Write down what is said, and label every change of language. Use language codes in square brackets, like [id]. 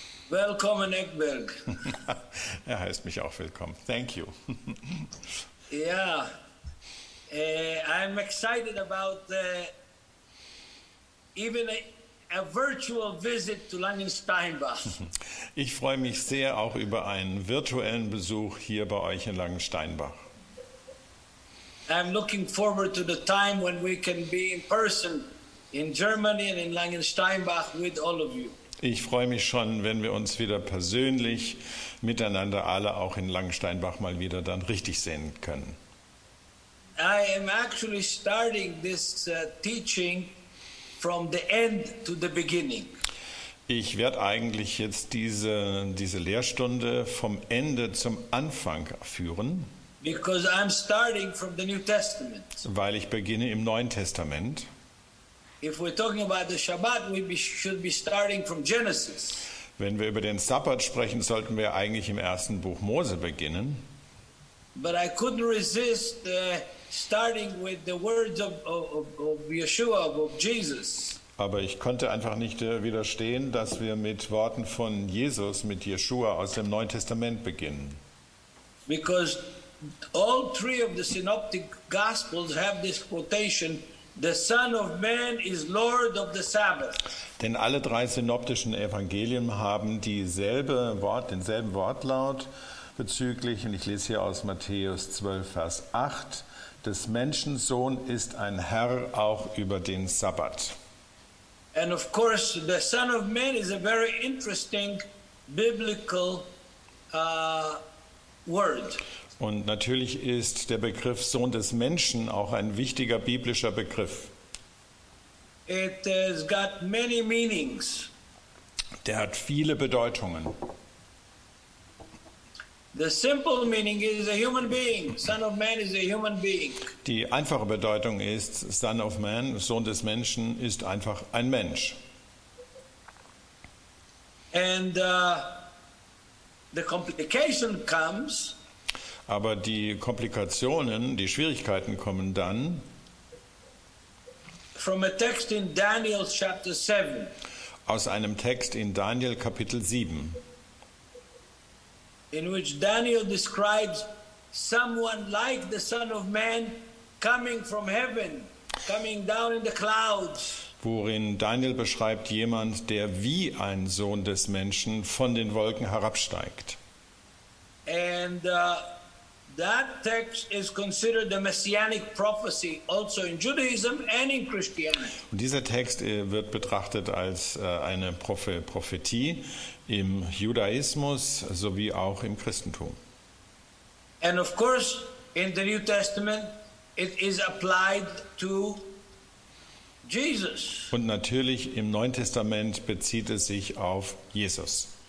[de] Willkommen, Eckberg. Er heißt mich auch willkommen. [en] Thank you. Yeah, I'm excited about even a virtual visit to Langensteinbach. [de] Ich freue mich sehr auch über einen virtuellen Besuch hier bei euch in Langensteinbach. [en] I'm looking forward to the time when we can be in person in Germany and in Langensteinbach with all of you. [de] Ich freue mich schon, wenn wir uns wieder persönlich miteinander alle auch in Langensteinbach mal wieder dann richtig sehen können. [en] I am actually starting this teaching from the end to the beginning. [de] Ich werde eigentlich jetzt diese Lehrstunde vom Ende zum Anfang führen. [en] Because I'm starting from the New Testament. [de] Weil ich beginne im Neuen Testament. [en] If we're talking about the Shabbat, we should be starting from Genesis. [de] Wenn wir über den Sabbat sprechen, sollten wir eigentlich im ersten Buch Mose beginnen. [en] But I couldn't resist starting with the words of Yeshua, of Jesus. [de] Aber ich konnte einfach nicht widerstehen, dass wir mit Worten von Jesus, mit Yeshua aus dem Neuen Testament beginnen. [en] Because all three of the synoptic gospels have this quotation, the Son of Man is Lord of the Sabbath. [de] Denn alle drei synoptischen Evangelien haben denselben Wortlaut bezüglich, und ich lese hier aus Matthäus 12, Vers 8, des Menschensohn ist ein Herr auch über den Sabbat. [en] And of course, the Son of Man is a very interesting biblical word. [de] Und natürlich ist der Begriff Sohn des Menschen auch ein wichtiger biblischer Begriff. [en] It has got many meanings. [de] Der hat viele Bedeutungen. [en] The simple meaning is a human being. Son of Man is a human being. [de] Die einfache Bedeutung ist, [en] Son of Man, [de] Sohn des Menschen, ist einfach ein Mensch. [en] And the complication comes. [de] Aber die Komplikationen, die Schwierigkeiten kommen dann [en] from a text in Daniel chapter 7. [de] Aus einem Text in Daniel Kapitel 7. [en] In which Daniel describes someone like the Son of Man coming from heaven, coming down in the clouds. [de] Worin Daniel beschreibt jemand, der wie ein Sohn des Menschen von den Wolken herabsteigt. [en] And that text is considered a messianic prophecy also in Judaism and in Christianity. [de] Und dieser Text wird betrachtet als eine Prophetie im Judaismus sowie auch im Christentum. [en] And of course in the New Testament it is applied to Jesus. [de] Und natürlich im Neuen Testament bezieht es sich auf Jesus.